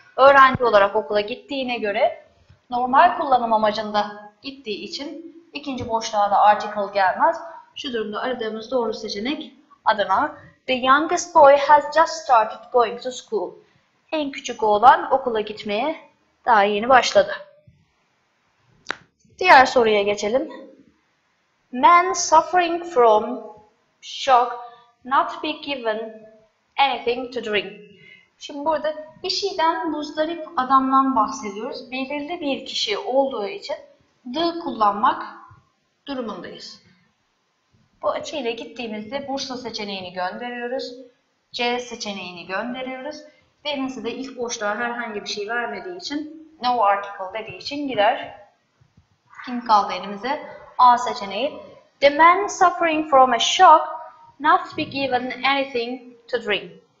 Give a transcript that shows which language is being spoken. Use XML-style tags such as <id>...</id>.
<tr>Öğrenci olarak okula gittiğine göre normal kullanım amacında gittiği için ikinci boşluğa da article gelmez. Şu durumda aradığımız doğru seçenek adına</tr> <en>the youngest boy has just started going to school.</en> <tr>En küçük oğlan okula gitmeye daha yeni başladı. Diğer soruya geçelim.</tr> <en>Men suffering from shock not be given anything to drink.</en> <tr>Şimdi burada bir şeyden muzdarip adamdan bahsediyoruz. Belirli bir kişi olduğu için the kullanmak durumundayız. Bu açıyla gittiğimizde Bursa seçeneğini gönderiyoruz. C seçeneğini gönderiyoruz. Denizli de ilk boşluğa herhangi bir şey vermediği için no article dediği için gider. Kim kaldı elimize? A seçeneği.</tr> <en>The man suffering from a shock not be given anything to drink.</en>